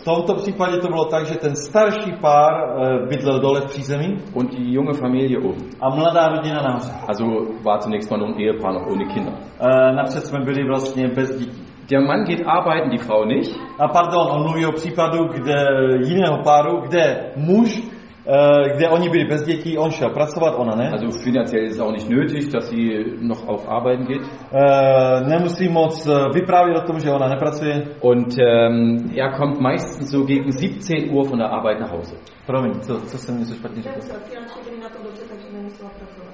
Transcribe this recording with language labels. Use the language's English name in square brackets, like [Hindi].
[Czech] V tomto případě to bylo tak, že ten starší pár bydlel dole v přízemí. [German] Und die junge Familie oben. [Czech] A mladá rodina nahoře. [German] Also war zunächst mal ein Ehepaar noch ohne Kinder. [Czech] Napřed jsme byli vlastně bez dětí. [German] Der Mann geht arbeiten, die Frau nicht. [Czech] A pardon, on mluví o případu, kde jiného páru, kde muž, kde oni byli bez dětí, on šel pracovat, ona ne. [German] Also finanziell ist es auch nicht nötig, dass sie noch auf arbeiten geht. [Czech] Nemusí moc vyprávět o tom, že ona nepracuje. [German] Und er kommt meistens so gegen 17 Uhr von der Arbeit nach Hause. [Czech] Promiň, co jsem něco špatně řekl? Tak se finančně byli na to dobře, takže nemusela pracovat.